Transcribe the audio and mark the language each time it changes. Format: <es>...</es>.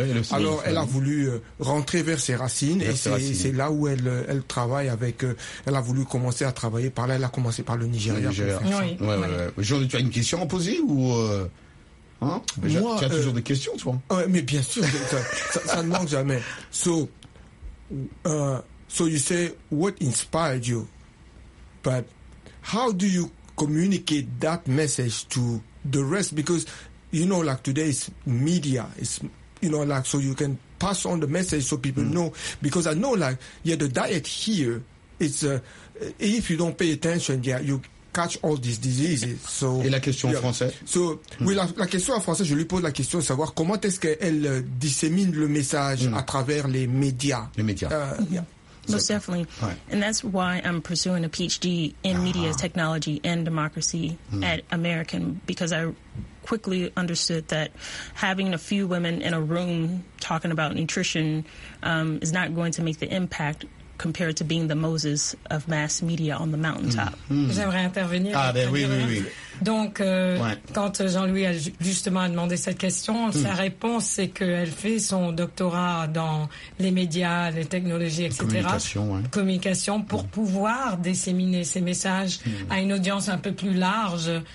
<fr>Alors, elle a voulu rentrer vers ses racines c'est là où elle travaille avec. Elle a voulu commencer à travailler par là. Elle a commencé par le Nigeria. Jean, tu as une question à poser ou Moi, tu as toujours des questions, toi. Ouais, mais bien sûr, ça ne manque jamais.</fr> <en>So you say what inspired you, but how do you communicate that message to the rest? Because you know, like today is media, it's you know, like so you can pass on the message so people know. Because I know, like the diet here, it's if you don't pay attention, you catch all these diseases. So,</en> <fr>et la question en français. La question en français, je lui pose la question de savoir comment est-ce qu'elle dissémine le message à travers les médias. Les médias.</fr> <en>Most definitely. Right. And that's why I'm pursuing a PhD in media technology and democracy at American, because I quickly understood that having a few women in a room talking about nutrition is not going to make the impact compared to being the Moses of mass media on the mountaintop.</en> <fr>J'aimerais intervenir. Ah, ben oui. Donc, quand Jean-Louis a justement demandé cette question, sa réponse, c'est qu'elle fait son doctorat dans les médias, les technologies, etc. Communication pour pouvoir disséminer ces messages à une audience un peu plus large.</fr>